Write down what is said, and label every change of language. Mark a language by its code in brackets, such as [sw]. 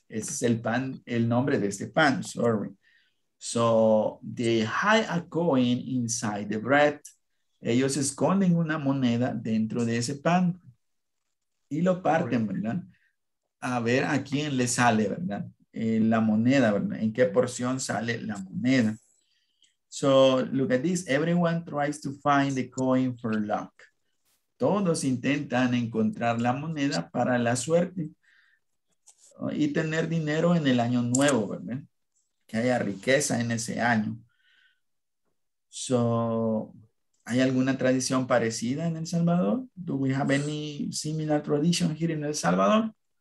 [es] Ese es el pan, el nombre de este pan, sorry. [en] So, they hide a coin inside the bread. [es] Ellos esconden una moneda dentro de ese pan y lo parten, ¿verdad? A ver a quién le sale, ¿verdad? La moneda, ¿verdad? ¿En qué porción sale la moneda? [en] So, look at this. Everyone tries to find the coin for luck. [es] Todos intentan encontrar la moneda para la suerte y tener dinero en el año nuevo, ¿verdad? Que haya riqueza en ese año. So... ¿Hay alguna tradición parecida en El Salvador? [en] Do we have any similar tradition here in El Salvador?